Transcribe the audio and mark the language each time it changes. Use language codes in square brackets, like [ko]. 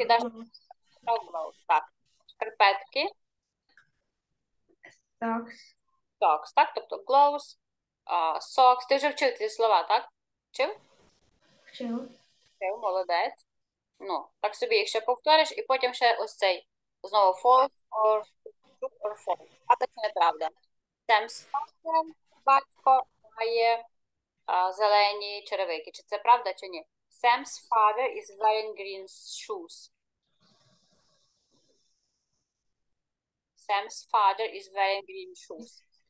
[uk] І даш gloves, так. Шкарпетки. [en] Socks. Socks, так? Тобто gloves, socks. [uk] Ти вже вчив ці слова, так? Вчив? Вчив. Вчив, молодець. Ну, так собі їх ще повториш, і потім ще ось цей. [en] Знову false or true or false. [uk] А це не правда. Sam's father, батько, має зелені черевики. Чи це правда, чи ні? [en] Sam's father is wearing green shoes. Sam's father is wearing green shoes.